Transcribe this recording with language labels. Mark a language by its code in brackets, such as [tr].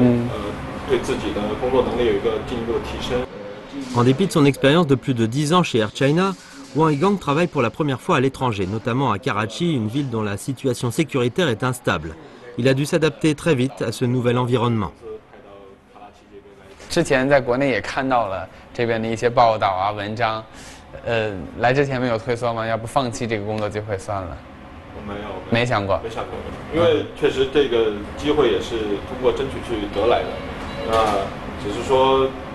[zh] 来到国外领业部，因为毕竟作为国航是一个这样大的一个国际性的航空公司嘛，想着在国外有不同的这个工作经历，对自己的一个提升是一个有很大的一个帮助，所以想也想借一个机会能够到国外来继续锻炼一下，然后也对自己的工作能力有一个进一步的提升。 [fr] En dépit de son expérience de plus de 10 ans chez Air China, Wang Yigang travaille pour la première fois à l'étranger, notamment à Karachi, une ville dont la situation sécuritaire est instable. Il a dû s'adapter très vite à ce nouvel environnement. [zh] 之前在国内也看到了这边的一些报道啊、文章，来之前没有退缩吗？要不放弃这个工作机会算了？没想过，因为确实这个机会也是通过争取去得来的，只是说。